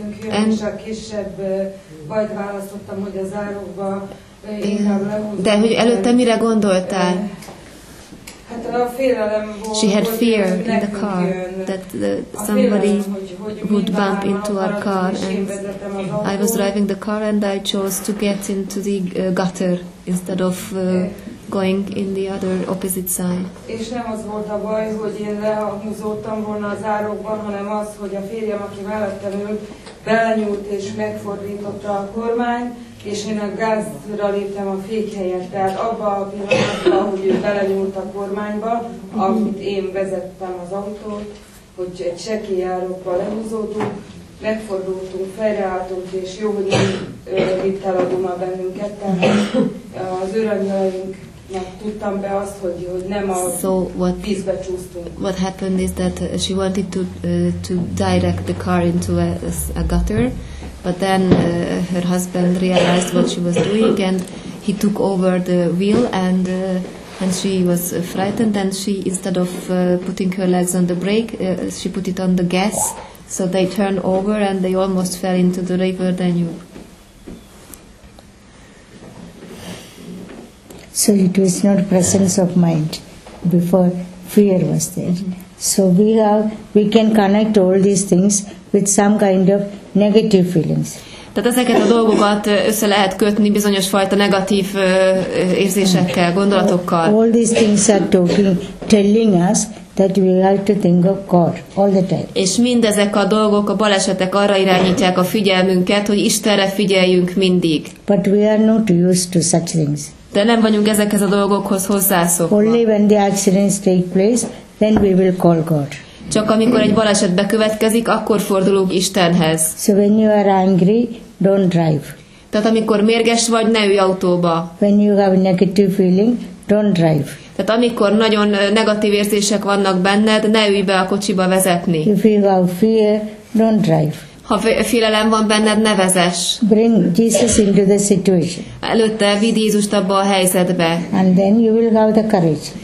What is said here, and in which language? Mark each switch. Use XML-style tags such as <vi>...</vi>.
<en>And</en> <hu>a kisebb bajt választottam, hogy a zárókba inkább lehúzom. De hogy előtte mire gondoltál? Hát a félelem volt,</hu> <en>she had fear in the car that somebody would bump into our car, and I was driving the car and I chose to get into the gutter instead of going in the other opposite side.</en> <hu>És nem az volt a baj, hogy én lehúzódtam volna a zárókban, hanem az, hogy a férjem, aki mellettem ült, belenyúlt és megfordította a kormány, és én a gázra léptem a fékhelyet. Tehát abban a pillanatban, ahogy ő belenyúlt a kormányba, amit én vezettem az autót, hogy egy csekélyárokba lehúzódtunk, megfordultunk, fejreálltunk, és jó, hogy nem vitt el a guma bennünket, tehát az öröngyeleink.</hu> <en>So what happened is that she wanted to direct the car into a gutter, but then her husband realized what she was doing, and he took over the wheel, and she was frightened, and she, instead of putting her legs on the brake, she put it on the gas, so they turned over and they almost fell into the river Danube. So it was not presence of mind before fear was there. So we can connect all these things with some kind of negative feelings.</en> <hu>Tehát ezeket a dolgokat össze lehet kötni bizonyos fajta negatív érzésekkel, gondolatokkal.</hu> <en>All these things are talking, telling us that we have to think of God all the time.</en> <hu>És mindezek a dolgok, a balesetek arra irányítják a figyelmünket, hogy Istenre figyeljünk mindig.</hu> <en>But we are not used to such things.</en> <hu>De nem vagyunk ezekhez a dolgokhoz hozzászokva.</hu> <en>Only when the accidents take place, then we will call God.</en> <hu>Csak amikor egy baleset bekövetkezik, akkor fordulunk Istenhez.</hu> <en>So when you are angry, don't drive.</en> <hu>Tehát amikor mérges vagy, ne ülj autóba.</hu> <en>When you have a negative feeling, don't drive.</en> <hu>Tehát amikor nagyon negatív érzések vannak benned, ne ülj be a kocsiba vezetni.</hu> <en>If you have fear, don't drive.</en> <hu>Ha félelem van benned, ne vezess.</hu> <en>Bring Jesus into the situation.</en> <hu>Előtte vidd Jézust abba a helyzetbe.</hu> <en>And then you will have the courage.</en>